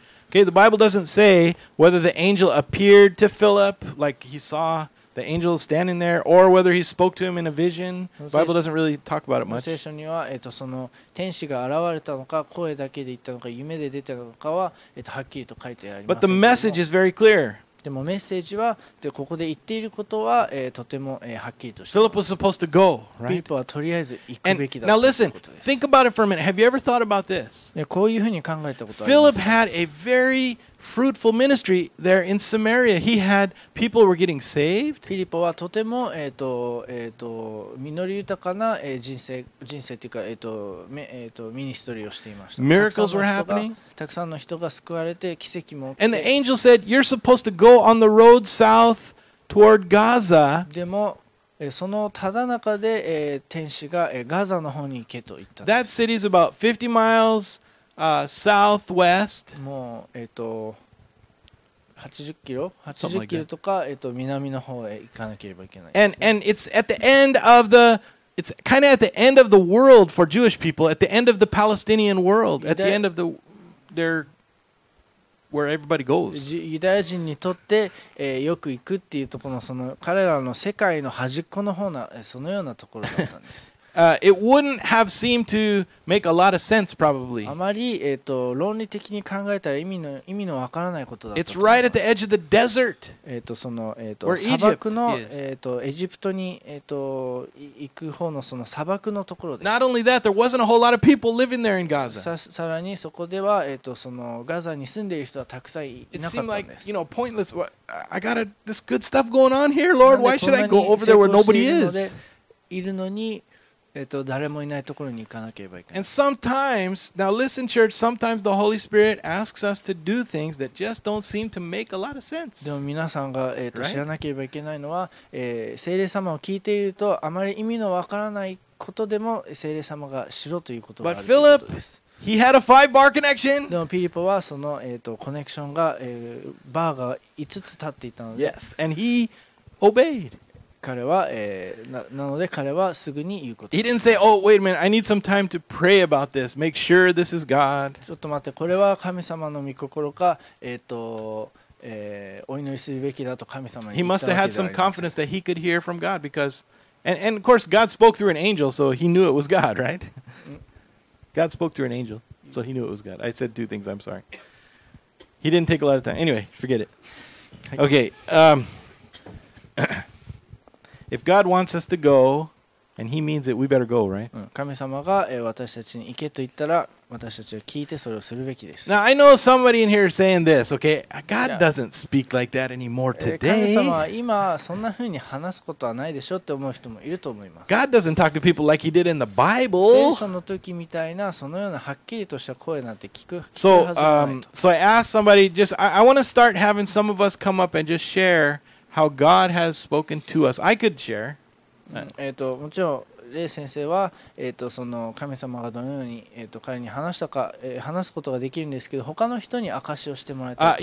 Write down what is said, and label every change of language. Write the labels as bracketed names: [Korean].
[English] Okay, the Bible doesn't say whether the angel appeared to Philip, like he saw the angel standing there, or whether he spoke to him in a vision. The Bible doesn't really talk about it much. [Japanese] 聖書には、その天使が現れたのか、声だけで言ったのか、夢で出たのかは、はっきりと書いてあります。 [English] But the message is very clear. [Japanese] でもメッセージは、ここで言っていることは、とても、はっきりとしています。 [English] Philip was supposed to go, right? [Japanese] フィリポはとりあえず行くべきだということです。 [English] Now listen, think about it for a minute. Have you ever thought about this? [Japanese] こういうふうに考えたことありますか? [English] Philip had a very fruitful ministry there in Samaria. He had people were getting saved. [Japanese] フィリポはとても、実り豊かな、人生というか、ミニストリーをしていました。 [English] Miracles were happening. [Japanese] たくさんの人が救われて奇跡も起きて。 [English] And the angel said, you're supposed to go on the road south toward Gaza. [Japanese] でも、そのただ中で、天使が、ガザの方に行けと言った。 [English] That city is about 50 miles southwest. [Japanese] もう、80キロとか、南の方へ行かなければいけない、ね。 [English] And it's at the end of the, it's kind of at the end of the world for Jewish people, at the end of the Palestinian world, at the end of the, their,Where everybody goes. [Japanese] ユダヤ人にとって、よく行くっていうところの、その彼らの世界の端っこの方な、そのようなところだったんです。 [English] It wouldn't have seemed to make a lot of sense, probably. [Japanese] あまり、論理的に考えたら意味のわからないことだったと思います。 [English] It's right at the edge of the desert. [Japanese] その、砂漠の、エジプトに、行く方のその砂漠のところです。 [English] Not only that, there wasn't a whole lot of people living there in Gaza. [Japanese] さらにそこでは、そのガザに住んでいる人はたくさんいなかったんです。 [English] It seemed like, you know, pointless. I got this good stuff going on here, Lord. Why should I go over there where nobody is? [Japanese] いるのに誰もいないところに行かなければいけない。 [English] And sometimes, now listen, church. Sometimes the Holy Spirit asks us to do things that just don't seem to make a lot of sense. [Japanese] でも皆さんが知らなければいけないのは、聖霊様を聞いているとあまり意味のわからないことでも聖霊様がしろということがあるということです。 [English] But Philip, he had a five-bar connection. [Japanese] でもピリポはそのコネクションが、バーが5つ立っていたので。 [English] Yes, and he obeyed. [Japanese] 彼は、なので彼はすぐに言うこと。 [English] He didn't say, oh, wait a minute, I need some time to pray about this. Make sure this is God. [Japanese] ちょっと待って、これは神様の御心か、お祈りするべきだと神様に。 [English] He must have had some confidence that he could hear from God because, and of course God spoke through an angel, so he knew it was God, right? God spoke through an angel, so he knew it was God. I said two things. I'm sorry. He didn't take a lot of time. Anyway, forget it. Okay. if God wants us to go, and He means it, we better go, right? [Japanese] 神様が私たちに行けと言ったら、私たちは聞いてそれをするべきです。 [English] Now I know somebody in here saying this. Okay, God doesn't speak like that anymore today. [Japanese] 神様は今そんな風に話すことはないでしょうって思う人もいると思います。 [English] God doesn't talk to people like He did in the Bible. [Japanese] 聖書の時みたいなそのようなはっきりとした声なんて聞くはずないと。 [English] So, so I asked somebody. Just I want to start having some of us come up and just share how God has spoken to us. I could share. [Japanese] もちろん、レイ先生は、その神様がどのように、彼に話したか、話すことができるんですけど、他の人に証をしてもらいたい。